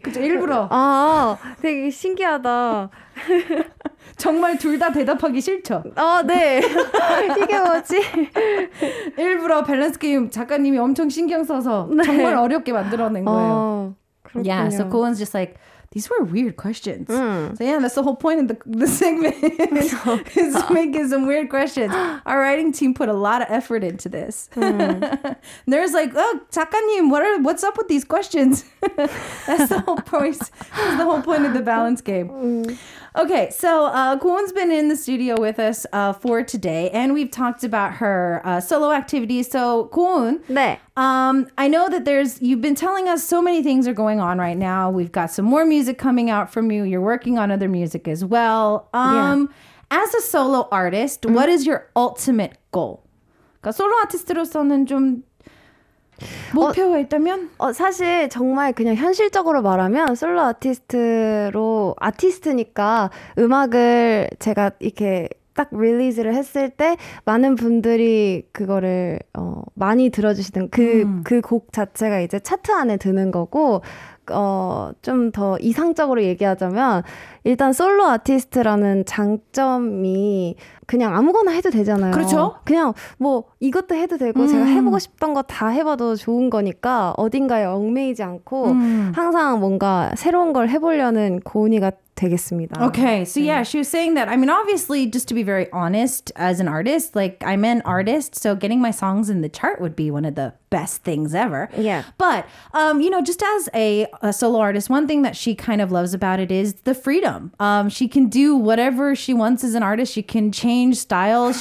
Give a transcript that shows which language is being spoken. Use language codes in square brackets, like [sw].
[ko] 그쵸, 일부러. 아, 되게 신기하다. 정말 둘 다 대답하기 싫죠? 아, 네. 이게 뭐지? 일부러 밸런스 게임 작가님이 엄청 신경 써서 정말 어렵게 만들어낸 거예요. 그렇군요. [en] Yeah, so Koon's just like, these were weird questions. So yeah, that's the whole point of the segment, is making some weird questions. Our writing team put a lot of effort into this. There's like, oh, 작가님, what's up with these questions? That's the whole point. That's the whole point of the balance game. Okay, so Kwon's been in the studio with us for today, and we've talked about her solo activities. So, Kwon, [ko] 네. [en] I know that you've been telling us so many things are going on right now. We've got some more music coming out from you. You're working on other music as well. Yeah. As a solo artist, what is your ultimate goal? [ko] 그러니까 솔로 아티스트로서는 좀 목표가 있다면? 사실 정말 그냥 현실적으로 말하면 솔로 아티스트니까 음악을 제가 이렇게 딱 릴리즈를 했을 때 많은 분들이 그거를 많이 들어주시던 그 곡 자체가 이제 차트 안에 드는 거고 좀 더 이상적으로 얘기하자면 일단 솔로 아티스트라는 장점이 그냥 아무거나 해도 되잖아요. 그렇죠. 그냥 뭐 이것도 해도 되고 제가 해보고 싶던 거 다 해봐도 좋은 거니까 어딘가에 얽매이지 않고 항상 뭔가 새로운 걸 해보려는 고은이가 되겠습니다. [en] Okay, so yeah, she was saying that. I mean, obviously, just to be very honest, as an artist, like I'm an artist, so getting my songs in the chart would be one of the best things ever. Yeah. But, you know, just as a solo artist, one thing that she kind of loves about it is the freedom. She can do whatever she wants as an artist. She can change styles.